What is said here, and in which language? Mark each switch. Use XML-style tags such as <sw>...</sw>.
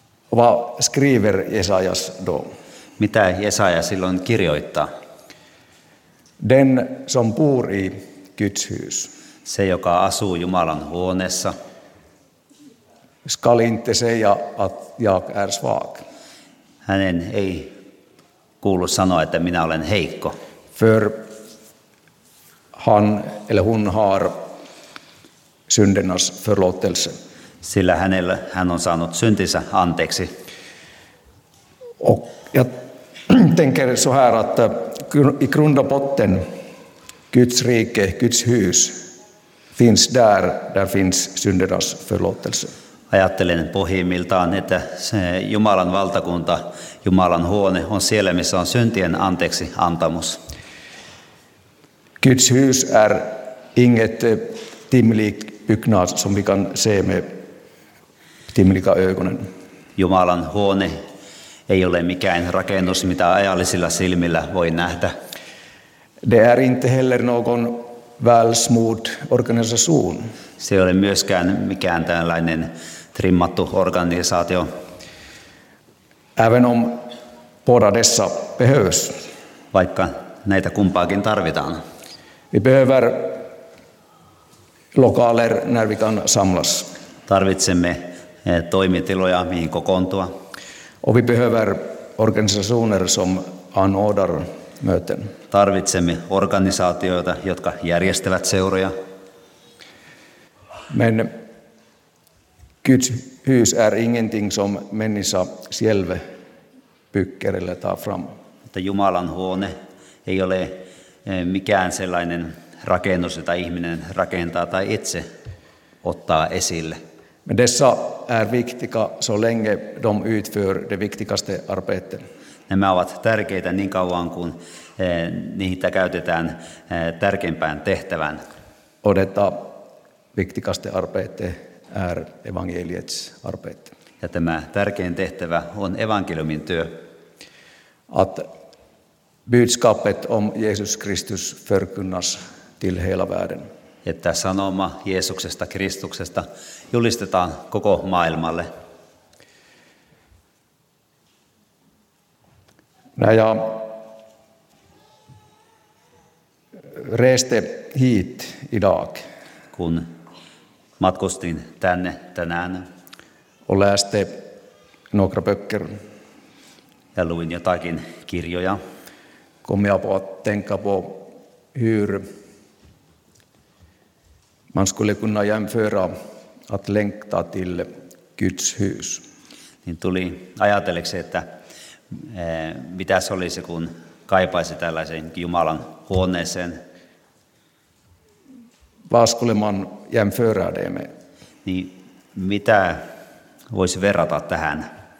<sv>Vad skriver Jesajas då?</sv> <fi>Mitä Jesaja silloin kirjoittaa?</fi> <sv>Den som bor i Guds hus.</sv> <fi>Se, joka asuu Jumalan huoneessa.</fi> <sv>Skall inte säga att jag är svag.</sv> <fi>Hänen ei kuulu sanoa, että minä olen heikko.</fi> <sv>För han eller hon har syndernas förlåtelse.</sv> <fi>Sillä hänellä hän on saanut syntinsä anteeksi.</fi> <sv>Och jag tänker så här att i grund och botten Guds rike, Guds hus finns där, där finns syndernas förlåtelse.</sv> <fi>Ajattelen pohjimmiltaan, että se Jumalan valtakunta, Jumalan huone on siellä, missä on syntien anteeksi antamus.</fi> <sv>Guds hus är inget timlik byggnad som vi kan se med timlika ögonen.</sv> <fi>Jumalan huone ei ole mikään rakennus, mitä ajallisilla silmillä voi nähdä.</fi> <sv>Det är inte heller någon välsmord organisation.</sv> <fi>Se ei ole myöskään mikään tällainen trimmattu organisaatio.</fi> <sv>Även om båda dessa behövs.</sv> <fi>Vaikka näitä kumpaakin tarvitaan.</fi> <sv>Vi behöver lokaler när vi kan samlas.</sv> <fi>Tarvitsemme toimitiloja, mihin kokoontua.</fi> <sv>Och vi behöver organisationer som anordnar möten.</sv> <fi>Tarvitsemme organisaatioita, jotka järjestävät seuroja.</fi> <sv>Men Guds hus är ingenting som människa själv bygger eller tar fram.</sv> <fi>Mutta Jumalan huone ei ole mikään sellainen rakennus, jota ihminen rakentaa tai itse ottaa esille.</fi> <sv>Men dessa är viktiga så länge de utför det viktigaste arbetet.</sv> <fi>Nämä ovat tärkeitä niin kauan kuin niitä käytetään tärkeimpään tehtävään.</fi> <sv>odeta viktigaste arbete är evangeliets arbete.</sv> <fi>Ja tämä tärkein tehtävä on evankeliumin työ.</fi> <sv>Att budskapet om Jesus Kristus förkunnas till hela världen.</sv> <fi>Että sanoma Jeesuksesta Kristuksesta julistetaan koko maailmalle.</fi> <sv>Ja reste hit idag.</sv> <fi>Kun matkustin tänne tänään.</fi> <sv>Och läste några böcker.</sv> <fi>Ja luin jotakin kirjoja.</fi> <sv>Kom jag på att tänka på hur man skulle kunna jämföra att längta till Guds hus.</sv> <fi>Niin tuli ajatelleksi, että mitä se olisi, kun kaipaisi tällaisen Jumalan huoneeseen.</fi> <sv>Vad skulle man jämföra det med?</sv> <fi>Niin mitä voisi verrata tähän?</fi>